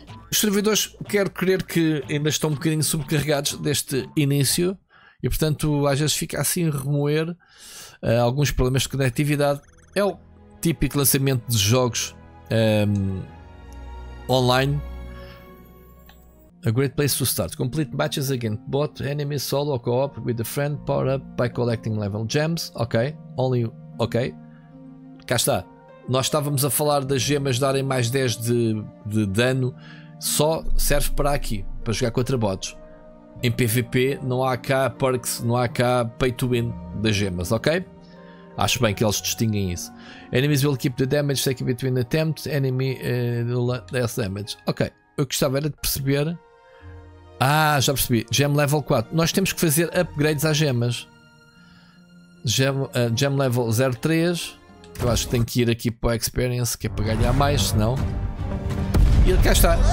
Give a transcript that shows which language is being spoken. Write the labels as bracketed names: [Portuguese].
[Portuguese] os servidores, quero crer que ainda estão um bocadinho sobrecarregados deste início, e portanto às vezes fica assim remoer alguns problemas de conectividade. É o típico lançamento de jogos online. [English] A great place to start. Complete matches against bot, enemy, solo or co-op with a friend, power up by collecting level gems. [Portuguese] Ok, only, ok, cá está. Nós estávamos a falar das gemas darem mais 10 de dano. Só serve para aqui, para jogar contra bots. Em PVP não há cá perks, não há cá pay to win das gemas, ok? Acho bem que eles distinguem isso. [English] Enemies will keep the damage taken between attempts, enemy less damage. [Portuguese] Ok, eu gostava era de perceber. Ah, já percebi. Gem level 4. Nós temos que fazer upgrades às gemas. Gem level 03. Eu acho que tenho que ir aqui para o Experience, que é para ganhar mais, senão. E cá está.